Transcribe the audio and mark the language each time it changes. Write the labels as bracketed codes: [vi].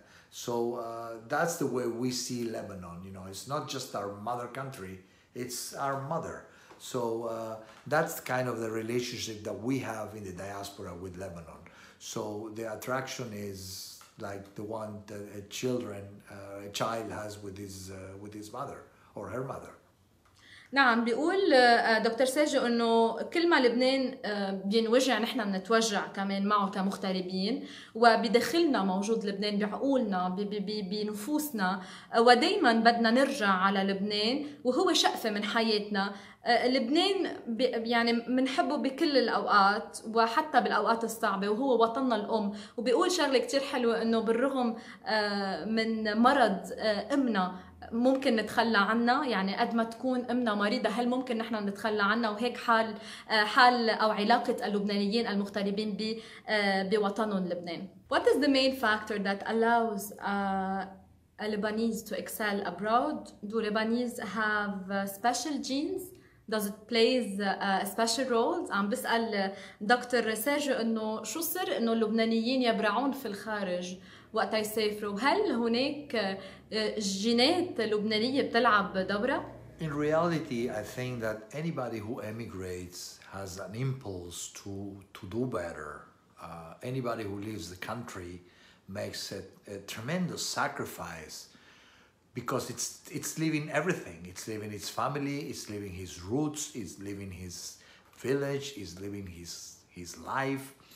[en] So that's the way we see Lebanon, you know, it's not just our mother country, it's our mother. So that's kind of the relationship that we have in the diaspora with Lebanon. So the attraction is like the one that a child has with his mother or her mother. [ar] نعم، بيقول دكتور سيرجيو أنه كل ما لبنان بينوجع نحن بنتوجع كمان معه كمغتربين، وبداخلنا موجود لبنان بعقولنا بنفوسنا، ودايما بدنا نرجع على لبنان وهو شقفة من حياتنا. لبنان يعني منحبه بكل الأوقات وحتى بالأوقات الصعبة، وهو وطننا الأم. وبيقول شغلة كتير حلوة أنه بالرغم من مرض أمنا ممكن نتخلى عنا، يعني قد ما تكون أمنا مريضة هل ممكن نحن نتخلى عنا؟ وهيك حال أو علاقة اللبنانيين المغتربين بوطنهم لبنان. [en] What is the main factor that allows a Lebanese to excel abroad? Do Lebanese have special genes? Does it plays a special role? [ar] عم بسأل دكتور سيرجيو أنه شو سر أنه اللبنانيين يبرعون في الخارج وقت يسافروا؟ هل هناك جينات لبنانية بتلعب دورة؟ [en] In reality, I think that anybody who emigrates has an impulse to do better. Anybody who leaves the country makes a tremendous sacrifice, because it's leaving everything. It's leaving its family, it's leaving his roots, it's leaving his village, it's leaving his life.